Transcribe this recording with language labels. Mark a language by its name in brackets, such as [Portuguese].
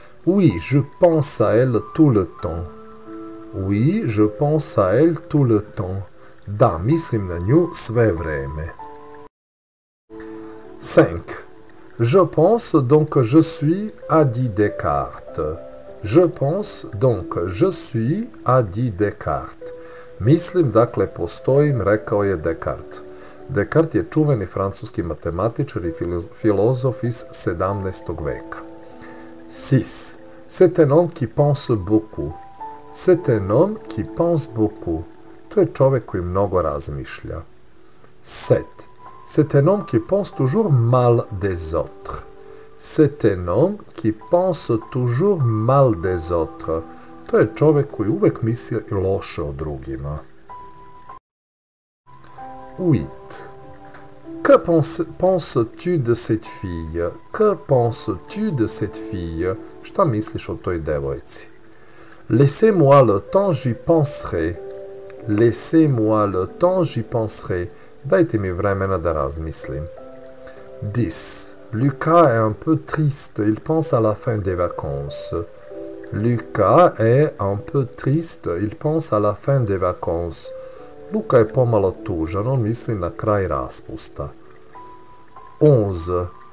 [French] Oui, je pense à elle tout le temps. Oui, je pense à elle tout le temps. [Serbian] Da, mislim na nju sve vreme. [French] 5. Je pense donc je suis à 10 Descartes. Je pense donc je suis à 10 Descartes. [Serbian] Mislim dakle postojim, rekao je Descartes. Descartes je čuveni francuski matematičar i filozof iz 17. veka. 6. [French] C'est un homme qui pense beaucoup. C'est un homme qui pense beaucoup. [Serbian] To je čovjek koji mnogo razmišlja. 7. [French] C'est un homme qui pense toujours mal des autres. C'est un homme qui pense toujours mal des autres. [Serbian] To je čovjek koji uvek misli loše o drugima. [French] 8. Que penses-tu de cette fille? Que penses-tu de cette fille? [Serbian] Šta misliš o toj devojci? [French] Laissez-moi le temps, j'y penserai. Laissez-moi le temps, j'y penserai. [Serbian] Dajte mi vremena da razmislim. 10. [French] Lucas est un peu triste, il pense à la fin des vacances. Lucas est un peu triste, il pense à la fin des vacances. [Serbian] Luka je pomalo tužan, on misli na kraj raspusta. 11.